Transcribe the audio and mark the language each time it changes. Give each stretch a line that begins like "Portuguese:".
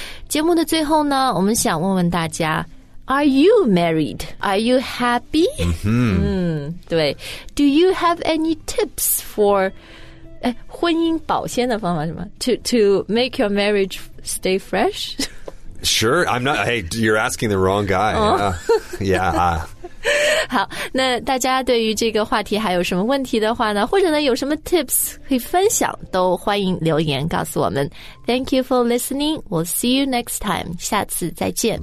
Chinese: 节目的最后呢我们想问问大家 ,
English: Are you married? Are you happy?、 Mm-hmm.
Chinese: 对。
English: Do you have any tips for,
Chinese: 婚姻保鲜的方法什么
English: ?To make your marriage stay fresh? Sure, I'm not, hey, you're asking the wrong guy.、Yeah.
Chinese: 好那大家对于这个话题还有什么问题的话呢或者呢有什么 tips 可以分享都欢迎留言告诉我们
English: Thank you for listening We'll see you next time
Chinese: 下次再见